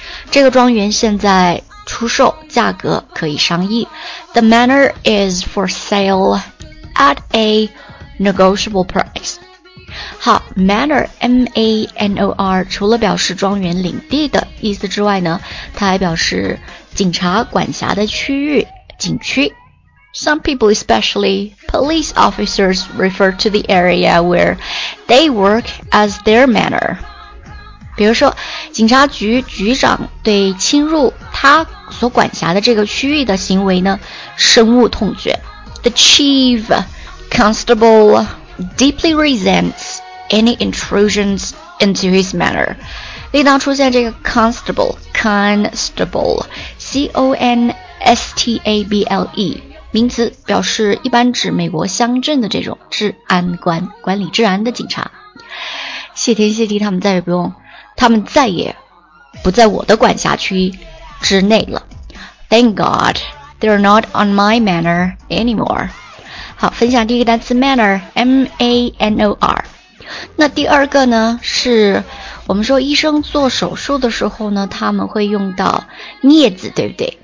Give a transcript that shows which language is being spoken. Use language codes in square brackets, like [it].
[zh] 这个庄园现在出售，价格可以商议。 [en] The manor is for sale at a negotiable price。 [zh] 好， manor M-A-N-O-R 除了表示庄园领地的意思之外呢，它还表示警察管辖的区域，警景区。 [en] Some people, especially police officers, refer to the area where they work as their manor. [zh] 比如说，警察局局长对侵入他所管辖的这个区域的行为呢，深恶痛绝。 [en] The chief constable deeply resents any intrusions into his manor. [zh] 另一道出现这个 constable, C-O-N-S-T-A-B-L-E, 名词表示一般指美国乡镇的这种治安官，管理治安的警察。谢天谢地他们再也不在我的管辖区之内了。 [en] Thank God, they're not on my manor anymore. [zh] 好，分享第一个单词 manor, M-A-N-O-R。那第二个呢是我们说医生做手术的时候呢，他们会用到镊子，对不对？